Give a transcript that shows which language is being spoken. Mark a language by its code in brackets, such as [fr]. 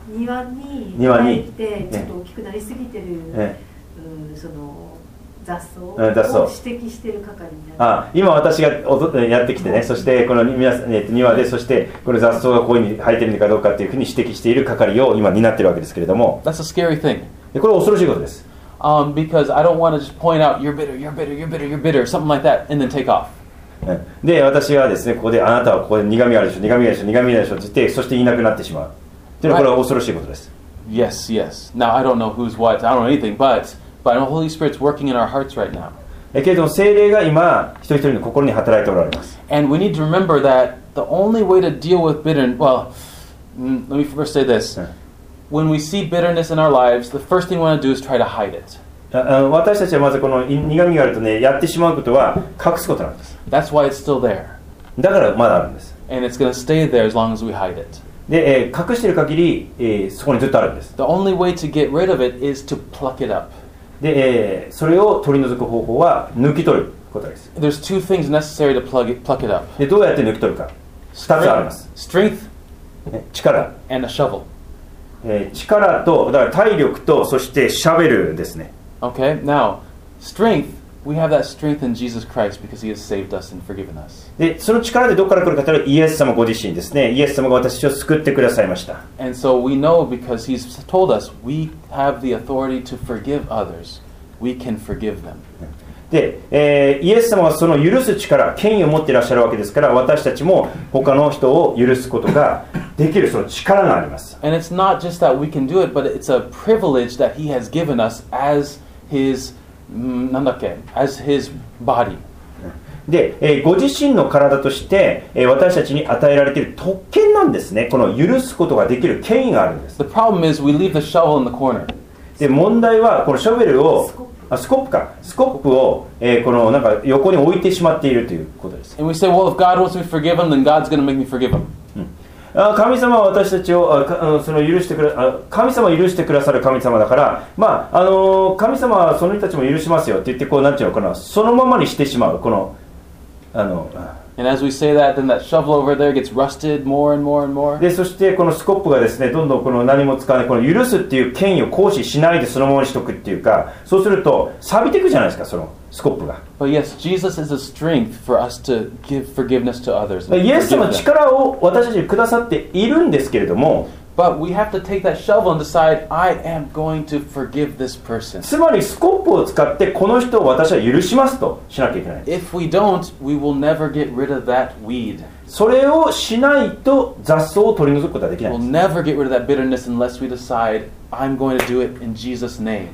[ja] 庭に生えてちょっと大きくなりすぎてる、その雑草を指摘してる係になる。あ、今私がやってきてね、そしてこの皆さん、庭で、そしてこの雑草がこういうに生えてるのかどうかっていうふうに指摘している係を今担ってるわけですけれども。 [en] That's a scary thing. [ja] これは恐ろしいことです。 [en] Because I don't want to just point out you're bitter, you're bitter, you're bitter, you're bitter, something like that, and then take off. [ja] で、私はですね、ここであなたはここで苦味があるでしょ、苦味があるでしょ、苦味があるでしょって言って、そしていなくなってしまう。というのはこれは恐ろしいことです。 [en] Yes, yes. Now I don't know who's what, I don't know anything, but. But the Holy Spirit's working in our hearts right now. [ja] けれども聖霊が今一人一人の心に働いておられます。 [en] And we need to remember that the only way to deal with bitterness, well, let me first say this. When we see bitterness in our lives, the first thing we want to do is try to hide it. [ja] 私たちはまずこの苦味があるとね、やってしまうことは隠すことなんです。 [en] That's why it's still there. [ja] だからまだあるんです。 [en] And it's going to stay there as long as we hide it. [ja] で、隠している限り、そこにずっとあるんです。 [en] The only way to get rid of it is to pluck it up. [ja] で、それを取り除く方法は抜き取ることです。 [en] There's two things necessary to pluck it up. [ja] で、どうやって抜き取るか。二つあります。 [en] Strength. [ja] 力。 [en] And a shovel. [ja] 力と、だから体力と、そしてシャベルですね。 [en] Okay, now, strength, we have that strength in Jesus Christ because he has saved us and forgiven us. [ja] で、その力でどこから来るかというと、イエス様ご自身ですね。イエス様が私を救ってくださいました。 [en] And so we know because he's told us, we have the authority to forgive others. we can forgive them. [ja] で、イエス様はその許す力、権威を持っていらっしゃるわけですから、私たちも他の人を許すことができるその力があります。 [en] And it's not just that we can do it, but it's a privilege that he has given us as his, [ja] なんだっけ、 [en] as his body. [ja] で、ご自身の体として、私たちに与えられている特権なんですね。この許すことができる権威があるんです。 [en] The problem is we leave the shovel in the corner. [ja] で、問題はこのショベルをスコップか、スコップを、このなんか横に置いてしまっているということです。 [en] And we say, well, if God wants me to forgive him, then God's going to make me forgive him. [ja] 神様は私たちを、その許してくださ、神様を許してくださる神様だから、まあ、神様はその人たちも許しますよって言って、こう、なんていうのかな、そのままにしてしまう、この、 [en] And as we say that, then that shovel over there gets rusted more and more and more. [ja] で、そしてこのスコップがですね、どんどんこの何も使わない、この許すっていう権威を行使しないでそのままにしとくっていうか、そうすると錆びていくじゃないですか、そのスコップが。 [en] But yes, Jesus is a strength for us to give forgiveness to others. [ja] イエス様力を私たちにくださっているんですけれども、 [en] But we have to take that shovel and decide, I am going to forgive this person. [ja] つまりスコップを使ってこの人を私は許しますとしなきゃいけないんです。 [en] If we don't, we will never get rid of that weed. [ja] それをしないと雑草を取り除くことはできないんです。 [en] We'll never get rid of that bitterness unless we decide, I'm going to do it in Jesus' name.